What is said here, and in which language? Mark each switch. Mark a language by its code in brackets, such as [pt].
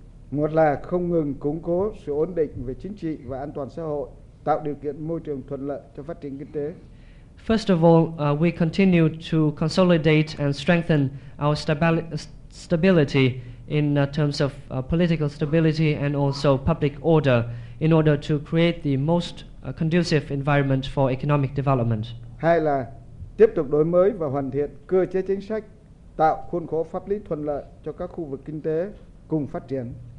[vi] Một là không ngừng củng cố sự ổn định về chính trị và an toàn xã hội, tạo điều kiện môi trường thuận lợi cho phát triển kinh tế. [en] First of all, we continue to consolidate and strengthen our stability in terms of political stability and also public order in order to create the most conducive environment for economic development. [vi] Hai là tiếp tục đổi mới và hoàn thiện cơ chế chính sách, tạo khuôn khổ pháp lý thuận lợi cho các khu vực kinh tế cùng phát triển.